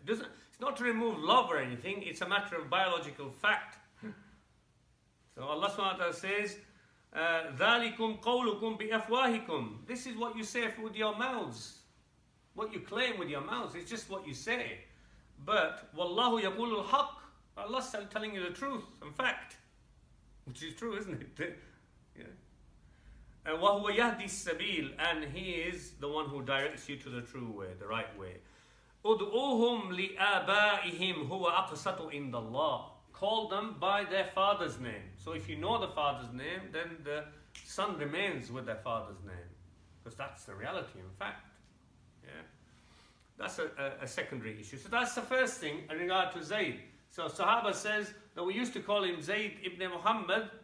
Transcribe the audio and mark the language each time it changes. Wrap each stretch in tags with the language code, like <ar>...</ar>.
<en>It's not to remove love or anything. It's a matter of biological fact. So Allah subhanahu wa ta'ala says,</en> <ar>ذَلِكُمْ قَوْلُكُمْ بِأَفْوَاهِكُمْ.</ar> <en>This is what you say with your mouths. What you claim with your mouths is just what you say. But</en> <ar>وَاللَّهُ يَقُولُ الْحَقِّ.</ar> <en>Allah is telling you the truth and fact. Which is true, isn't it? Yeah.</en> <ar>وَهُوَ يَهْدِي السَّبِيلِ.</ar> <en>And he is the one who directs you to the true way, the right way.</en> <ar>أُدْعُوهُمْ لِآبَائِهِمْ هُوَ أَقْسَطُ عِنْدَ اللَّهِ.</ar> <en>Call them by their father's name. So if you know the father's name, then the son remains with their father's name. Because that's the reality, in fact. Yeah. That's a secondary issue. So that's the first thing in regard to Zayd. So Sahaba says that we used to call him Zayd ibn Muhammad.</en>